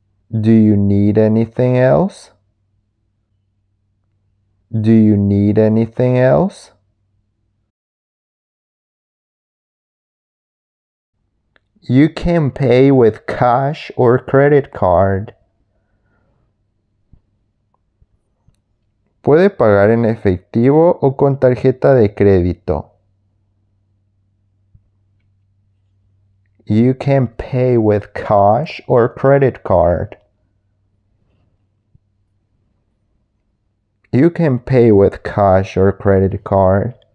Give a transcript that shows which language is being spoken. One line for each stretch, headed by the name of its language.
English: Do you need anything else? Do you need anything else? You can pay with cash or credit card.
Spanish: Puede pagar en efectivo o con tarjeta de crédito.
English: You can pay with cash or credit card. You can pay with cash or credit card.